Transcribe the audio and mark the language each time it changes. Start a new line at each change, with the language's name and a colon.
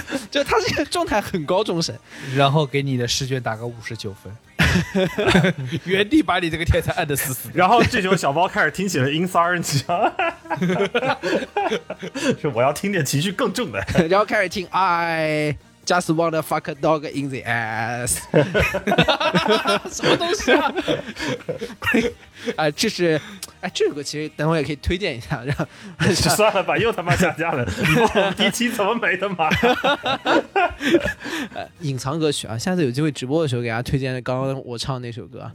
Chinese: 就他这个状态很高中生，然后给你的试卷打个59分。原地把你这个铁才按得死死。然后这时候小包开始听起了 Inside 你知道吗，我要听点情绪更重的。然后开始听
English: I just want to fuck a dog in the ass。
Chinese: 什么东西啊。这是这个其实等会也可以推荐一下，然后算了吧，又他妈下架了。你问我们第七怎么没的嘛。隐藏歌曲啊，下次有机会直播的时候给大家推荐刚刚我唱的那首歌。